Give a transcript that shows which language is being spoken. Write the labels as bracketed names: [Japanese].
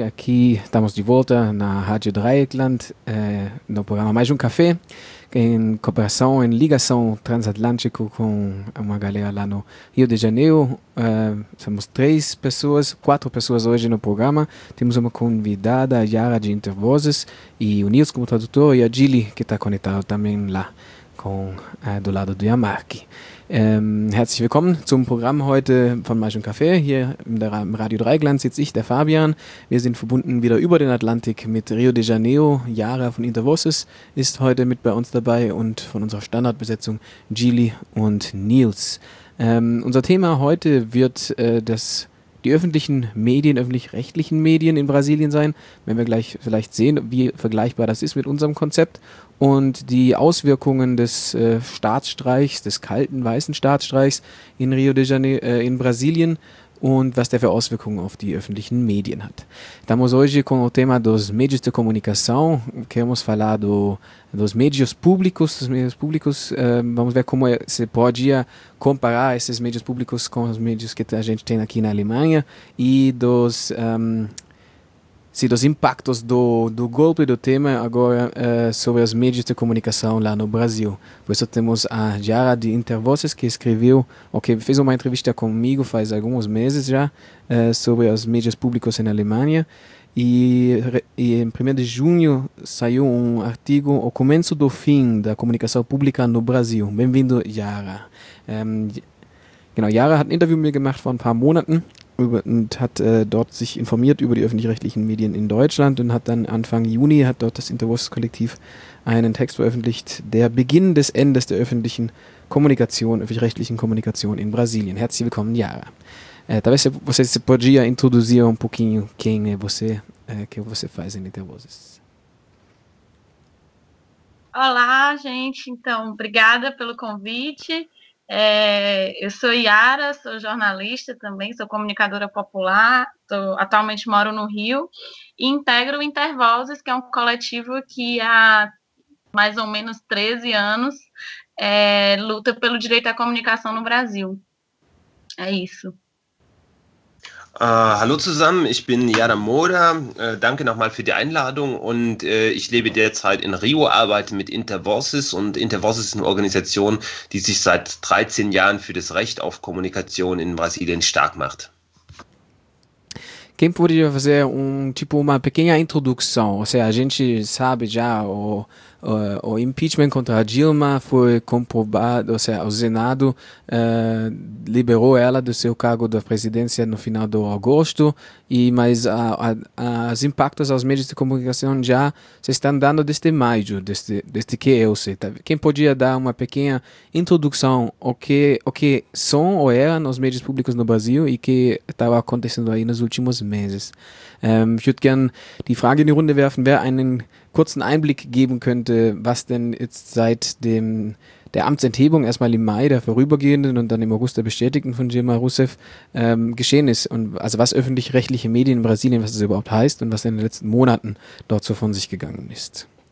[Portuguese] Aqui estamos de volta na Rádio Dreieckland, no programa Mais um Café, em cooperação, em ligação transatlântico com uma galera lá no Rio de Janeiro. Somos quatro pessoas hoje no programa. Temos uma convidada, Yara de Intervozes, e o Nils como tradutor, e a Gili, que está conectada também lá com, do lado do Yamarki. [German] Herzlich willkommen zum Programm heute von Mais um Café. Hier im Radio Dreieckland sitze ich, der Fabian. Wir sind verbunden wieder über den Atlantik mit Rio de Janeiro. Yara von Intervozes ist heute mit bei uns dabei und von unserer Standardbesetzung Gili und Nils. Unser Thema heute wird die öffentlichen Medien, öffentlich-rechtlichen Medien in Brasilien sein. Wenn wir gleich vielleicht sehen, wie vergleichbar das ist mit unserem Konzept. Und die Auswirkungen des Staatsstreichs, des kalten weißen Staatsstreichs in Rio de Janeiro, in Brasilien und was der für Auswirkungen auf die öffentlichen Medien hat. [Portuguese] Estamos hoje com o tema dos meios de comunicação. Queremos falar dos meios públicos. Vamos ver como se pode comparar esses meios públicos com os meios que a gente tem aqui na Alemanha e dos dos impactos do golpe do tema agora sobre os meios de comunicação lá no Brasil. Por isso temos a Yara de Intervozes, que escreveu, fez uma entrevista comigo faz alguns meses já, sobre os meios públicos na Alemanha. E em 1º de junho saiu um artigo, O Começo do Fim da Comunicação Pública no Brasil. Bem-vindo, Yara. [German] Yara hat ein Interview mir gemacht vor ein paar Monaten. Und hat dort sich informiert über die öffentlich-rechtlichen Medien in Deutschland und hat dann Anfang Juni hat dort das Intervozes-Kollektiv einen Text veröffentlicht, der Beginn des Endes der öffentlichen Kommunikation, öffentlich-rechtlichen Kommunikation in Brasilien. Herzlich willkommen, Yara. [Portuguese] Talvez você se podia introduzir um pouquinho quem é você, que você faz em Intervozes. Olá, gente. Então, obrigada pelo convite. Eu sou Yara, sou jornalista também, sou comunicadora popular, atualmente moro no Rio e integro o Intervozes, que é um coletivo que há mais ou menos 13 anos luta pelo direito à comunicação no Brasil. É isso. [German] Hallo zusammen, ich bin Yara Moura, danke nochmal für die Einladung und ich lebe derzeit in Rio, arbeite mit Intervozes und Intervozes ist eine Organisation, die sich seit 13 Jahren für das Recht auf Kommunikation in Brasilien stark macht. [Portuguese] Quem poderia fazer uma pequena introdução? Ou seja, a gente sabe já o impeachment contra a Dilma foi comprovado, ou seja, o Senado liberou ela do seu cargo da presidência no final de agosto, mas os impactos aos meios de comunicação já se estão dando desde maio, desde que eu sei. Tá? Quem podia dar uma pequena introdução o que são ou eram os meios públicos no Brasil e o que estava acontecendo aí nos últimos meses? [German] Ich würde gerne die Frage in die Runde werfen, wer einen kurzen Einblick geben könnte, was denn jetzt seit der Amtsenthebung erstmal im Mai der vorübergehenden und dann im August der bestätigten von Dilma Rousseff geschehen ist und also was öffentlich-rechtliche Medien in Brasilien, was das überhaupt heißt und was in den letzten Monaten dort so von sich gegangen ist.